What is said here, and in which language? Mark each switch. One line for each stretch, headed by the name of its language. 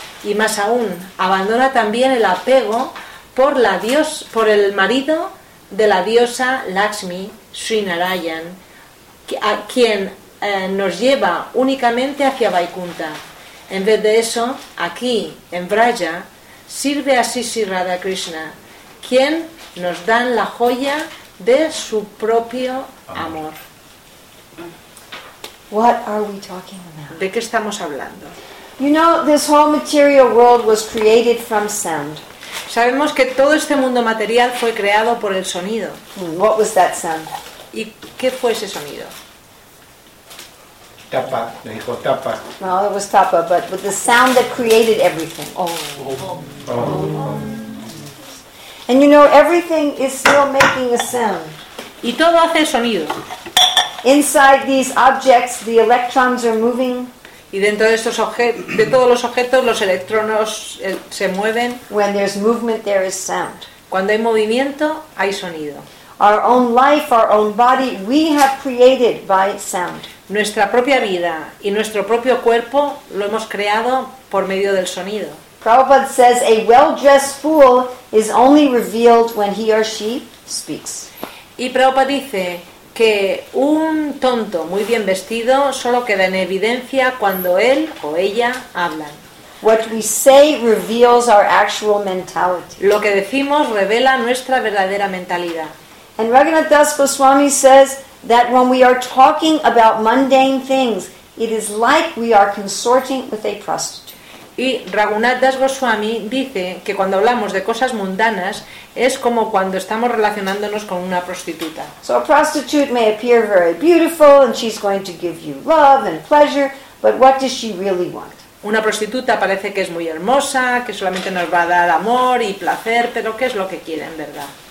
Spanish: Y más aún, abandona también el apego por el marido de la diosa Lakshmi, Sri Narayan, a quien nos lleva únicamente hacia Vaikuntha. En vez de eso, aquí, en Vraja, sirve a Sisi Radha Krishna, quien nos da la joya de su propio amor.
English: What are we talking about?
Spanish: ¿De qué estamos hablando?
English: You know, this whole material world was created from sound.
Spanish: Sabemos que todo este mundo material fue creado por el sonido.
English: What was that sound?
Spanish: ¿Y qué fue ese sonido? Tapa, le dijo tapa.
English: No, it was tapa, but the sound that created everything. Oh. And you know, everything is still making a sound.
Spanish: Y todo hace sonido.
English: Inside these objects, the electrons are moving.
Spanish: Y dentro de estos de todos los objetos, los electrones se mueven.
English: When there's movement, there is sound.
Spanish: Cuando hay movimiento, hay sonido.
English: Our own life, our own body, we have created by sound.
Spanish: Nuestra propia vida y nuestro propio cuerpo lo hemos creado por medio del sonido.
English: Prabhupada says a well-dressed fool is only revealed when he or she speaks.
Spanish: Y Prabhupada dice que un tonto muy bien vestido solo queda en evidencia cuando él o ella hablan.
English: What we say reveals our actual mentality.
Spanish: Lo que decimos revela nuestra verdadera mentalidad.
English: And Raghunath Das Goswami says that when we are talking about mundane things, it is like we are consorting with a prostitute.
Spanish: Y Raghunath Das Goswami dice que cuando hablamos de cosas mundanas es como cuando estamos relacionándonos con una prostituta.
English: So a prostitute may appear very beautiful and she's going to give you love and pleasure, but what does she really want?
Spanish: Una prostituta parece que es muy hermosa, que solamente nos va a dar amor y placer, pero ¿qué es lo que quiere en verdad?